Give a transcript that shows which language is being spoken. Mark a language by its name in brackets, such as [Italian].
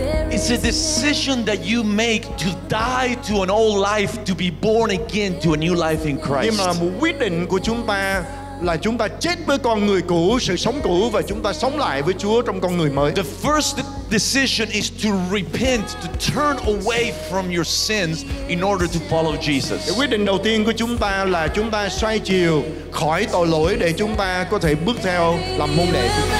[English] It's a decision that you make to die to an old life, to be born again to a new life in Christ. [Vietnamese] Nhưng mà một quyết định của chúng ta là chúng ta chết với con người cũ, sự sống cũ và chúng ta sống lại với Chúa trong con người mới. [English] The first decision is to repent, to turn away from your sins in order to follow Jesus. [Vietnamese] Quyết định đầu tiên của chúng ta là chúng ta xoay chiều khỏi tội lỗi để chúng ta có thể bước theo làm môn đệ.